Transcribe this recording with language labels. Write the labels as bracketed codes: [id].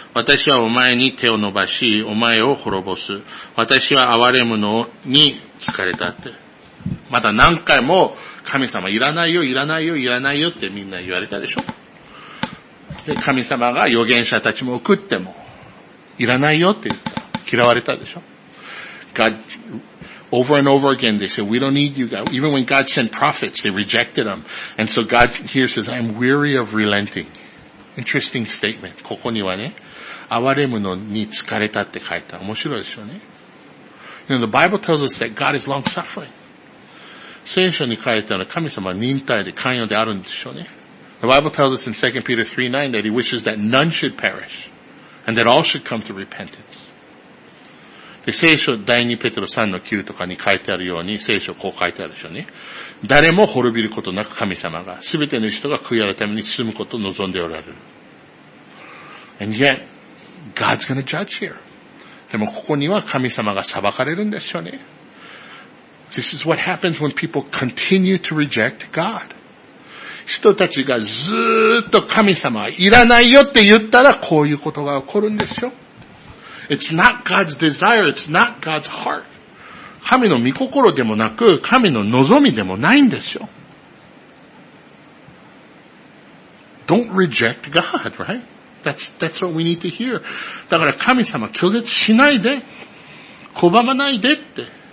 [ja] 私はお前に手を伸ばし、お前を滅ぼす。私は憐れむのに疲れたって。まだ何回も神様いらないよ、いらないよ、いらないよってみんな言われたでしょ。で、神様が預言者たちも送ってもいらないよって言った。嫌われたでしょ。 [en] God, over and over again they said, we don't need you, God. Even when God sent prophets, they rejected them. And so God here says, I'm weary of relenting. Interesting statement. [ja] ここにはね、憐れむのに疲れたって書いた。面白いですよね。 [en] You know, the Bible tells us that God is long-suffering. [ja] 聖書に書いてあるのは神様は忍耐で寛容であるんでしょうね。 [en] The Bible tells us in 2 Peter 3:9 that he wishes that none should perish and that all should come to repentance. [ja] で、聖書第2ペテロ3の9とかに書いてあるように、聖書こう書いてあるでしょうね。誰も滅びることなく神様が、すべての人が悔い改めるために進むことを望んでおられる。 [en] And yet, God's gonna judge here. [ja] でもここには神様が裁かれるんでしょうね。 [en] This is what happens when people continue to reject God. [ja] 人たちがずーっと神様はいらないよって言ったらこういうことが起こるんですよ。 [en] It's not God's desire, it's not God's heart. [ja] 神の御心でもなく、神の望みでもないんですよ。 [en] Don't reject God, right? That's what we need to hear. [ja] だから神様拒絶しないで、拒まないでって。